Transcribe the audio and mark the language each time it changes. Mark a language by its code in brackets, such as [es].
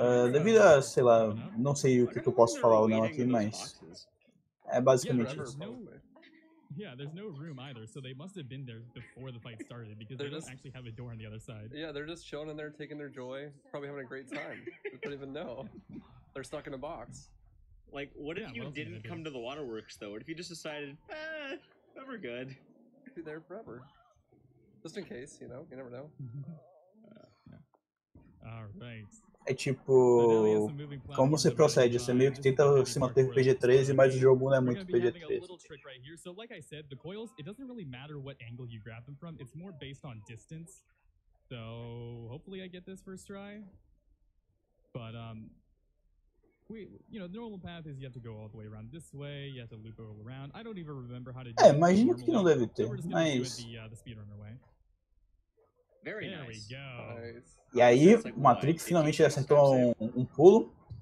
[pt] Devido a, sei lá, não sei o que eu posso falar ou não aqui, mas é basicamente isso. [en] Yeah, there's no room either, so they must have been there before the fight started, because they don't actually have a door on the other side. Yeah, they're just chilling in there, taking their joy, probably having a great time. They don't even know. They're stuck in a box. Like, what if you didn't come to the waterworks, though? What if you just decided, we're good. Be there forever. Just in case, you know, you never know. Alright. [pt] É tipo, como você procede? Você meio que tenta se manter PG-13, mas o jogo não é muito PG-13. [en] So, like I said, the coils, it doesn't really matter what angle you grab them from, it's more based on distance. So, hopefully I get this first try. But, you know, the normal path is you have to go all the way around this way, you have to loop all around. I don't even remember how to do [pt] it. É, imagino que não deve ter, mas... [en] Very nice. There we go. [pt] E aí, o Matrix finalmente acertou um pulo.